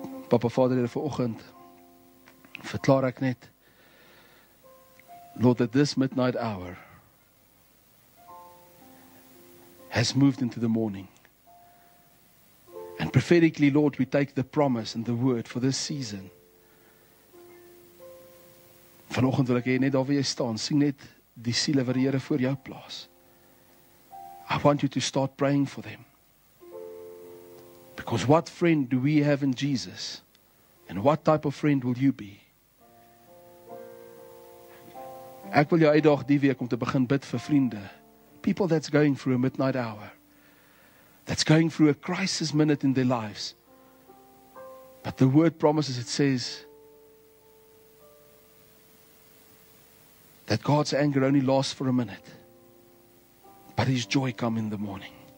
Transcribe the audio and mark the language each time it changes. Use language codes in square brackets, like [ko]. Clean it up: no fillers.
[af] Papa Vader, Here, vanoggend verklaar ek net, [en] Lord, that this midnight hour has moved into the morning. And prophetically, Lord, we take the promise and the word for this season. [af] Vanoggend wil ek hê net daar waar jy staan, sien net die siele wat die Here voor jou plaas. [en] I want you to start praying for them. Because what friend do we have in Jesus? And what type of friend will you be? [af] Ek wil jou uitdaag die week om te begin bid vir vriende. [en] People that's going through a midnight hour. That's going through a crisis minute in their lives. But the word promises, it says, that God's anger only lasts for a minute. But His joy come in the morning.